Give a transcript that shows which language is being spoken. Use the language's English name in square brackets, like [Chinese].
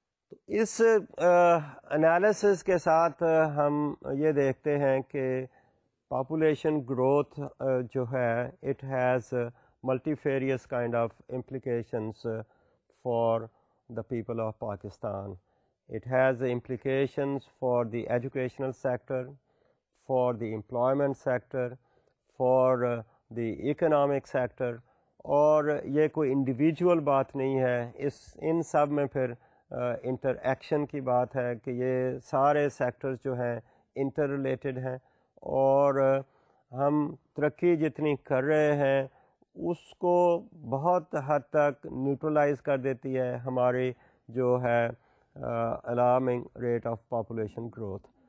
[Urdu] تو اس انالیسس کے ساتھ ہم یہ دیکھتے ہیں کہ پاپولیشن گروتھ جو ہے [English] It has multifarious kind of implications for the people of Pakistan. It has implications for the educational sector, for the employment sector, for the economic sector. [Urdu] اور یہ کوئی انڈیویجول بات نہیں ہے، اس ان سب میں پھر انٹر ایکشن کی بات ہے کہ یہ سارے سیکٹرز جو ہیں انٹر ریلیٹڈ ہیں. اور ہم ترقی جتنی کر رہے ہیں اس کو بہت حد تک نیوٹرلائز کر دیتی ہے ہماری جو ہے [English] Alarming rate of population growth.